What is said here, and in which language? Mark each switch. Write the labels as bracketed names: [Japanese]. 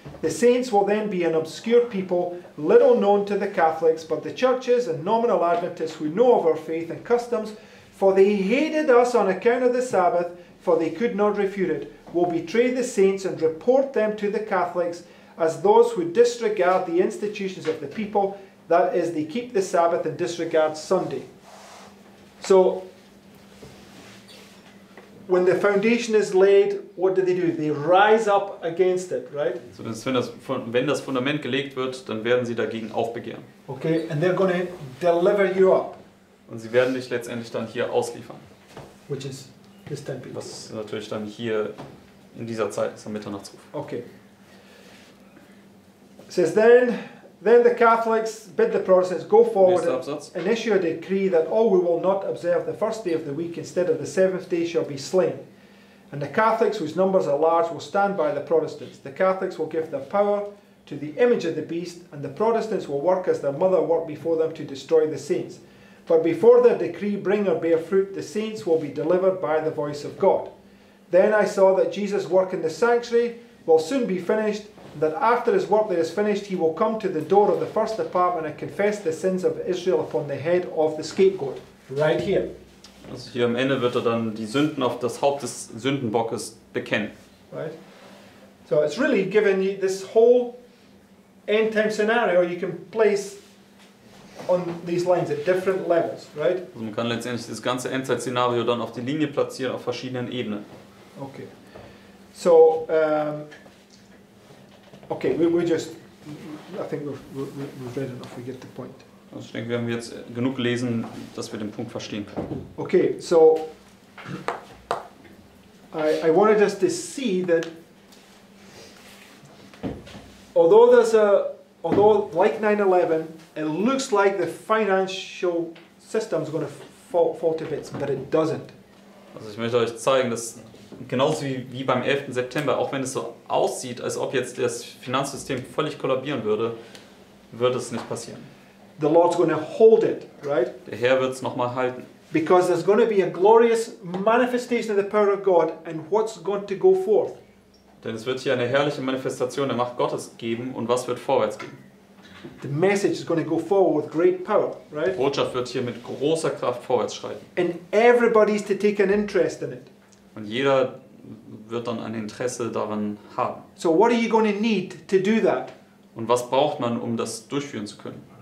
[English] The saints will then be an obscure people, little known to the Catholics, but the churches and nominal Adventists who know of our faith and customs, for they hated us on account of the Sabbath, for they could not refute it, will betray the saints and report them to the Catholics as those who disregard the institutions of the people. That is, they keep the Sabbath and disregard Sunday. So, when the foundation is laid, what do? They rise up against it, right? [German] So, wenn das Fundament gelegt wird, dann werden sie dagegen aufbegehren. [English] Okay, and they're going to deliver you up. [German] Und sie werden dich letztendlich dann hier ausliefern. [English] Which is this time period. [German] Was natürlich dann hier in dieser Zeit ist, am Mitternachtsruf. [English] Okay. It says then the Catholics bid the Protestants go forward and issue a decree that all who will not observe the first day of the week instead of the seventh day shall be slain. And the Catholics, whose numbers are large, will stand by the Protestants. The Catholics will give their power to the image of the beast, and the Protestants will work as their mother worked before them to destroy the saints. But before their decree bring or bear fruit, the saints will be delivered by the voice of God. Then I saw that Jesus' work in the sanctuary will soon be finished, that after his work there is finished, he will come to the door of the first apartment and confess the sins of Israel upon the head of the scapegoat. Right here. [German] Also hier am Ende wird dann die Sünden auf das Haupt des Sündenbockes bekennen. [English] Right. So it's really given you this whole end time scenario you can place on these lines at different levels, right? [German] Also man kann letztendlich das ganze Endzeitszenario dann auf die Linie platzieren auf verschiedenen Ebenen. [English] Okay. So, okay, we've read enough, we get the point. [German] Also ich denke, wir haben jetzt genug gelesen, dass wir den Punkt verstehen können. [English] Okay, so I wanted us to see that although like 9/11, it looks like the financial system is going to fall to bits, but it doesn't. [German] Also ich möchte euch zeigen, dass genauso wie beim 11. September, auch wenn es so aussieht, als ob jetzt das Finanzsystem völlig kollabieren würde, wird es nicht passieren. [English] The Lord's going to hold it, right? [German] Der Herr wird es nochmal halten. [English] Because there's going to be a glorious manifestation of the power of God, and what's going to go forth? [German] Denn es wird hier eine herrliche Manifestation der Macht Gottes geben, und was wird vorwärts gehen? [English] The message is going to go forward with great power, right? [German] Die Botschaft wird hier mit großer Kraft vorwärts schreiten. [English] And everybody's to take an interest in it. [German] Und jeder wird dann ein Interesse daran haben. [English] So what are you going to need to do that? [German] Und was braucht man, um das durchführen zu können?